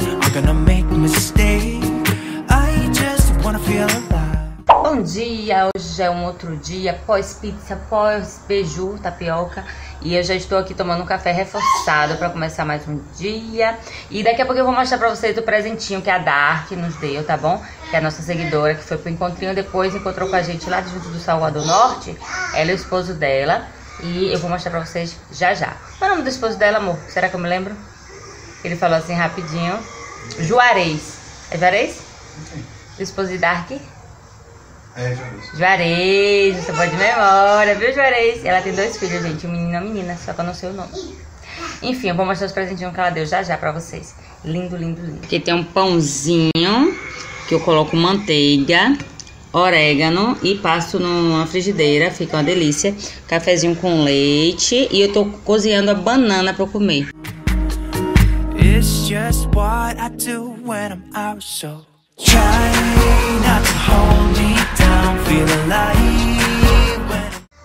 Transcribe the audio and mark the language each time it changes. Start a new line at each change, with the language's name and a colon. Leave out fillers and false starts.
English: I'm gonna make mistakes. I just wanna feel alive.
Portuguese: Bom dia, hoje é um outro dia pós-pizza, pós-beiju, tapioca. E eu já estou aqui tomando um café reforçado pra começar mais um dia. E daqui a pouco eu vou mostrar pra vocês o presentinho que a Dark nos deu, tá bom? Que é a nossa seguidora, que foi pro encontrinho depois, encontrou com a gente lá junto do Salvador Norte. Ela e o esposo dela. E eu vou mostrar pra vocês já já. O nome do esposo dela, amor? Será que eu me lembro? Ele falou assim rapidinho. Juarez. É Juarez? Sim. O esposo de Dark? É Juarez. Juarez, você pode de memória, viu, Juarez? Ela tem 2 filhos, gente. Um menino e uma menina, só que eu não sei o nome. Enfim, eu vou mostrar os presentinhos que ela deu já já pra vocês. Lindo, lindo, lindo. Aqui tem um pãozinho, que eu coloco manteiga, orégano e passo numa frigideira, fica uma delícia. Cafezinho com leite e eu tô cozinhando a banana pra eu comer.
English: It's just what I do when I'm out, so try not to hold me down, feel alive when...